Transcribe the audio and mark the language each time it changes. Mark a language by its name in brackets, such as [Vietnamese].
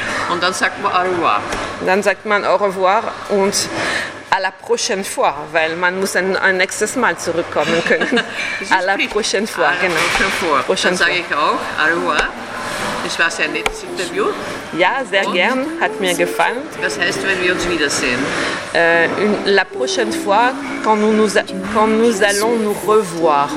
[German] Und dann sagt man [French] au revoir. [German] Dann sagt man [French] au revoir [German] und [French] à la prochaine fois, [German] weil man muss ein nächstes Mal zurückkommen können. [French] À la prochaine fois, [German] genau. Prochaine dann sage ich auch [French] au revoir. [German] Das war sehr nettes Interview. Ja, sehr und gern. Hat mir gefallen. Was heißt, wenn wir uns wiedersehen? [French] La prochaine fois, quand nous allons nous revoir.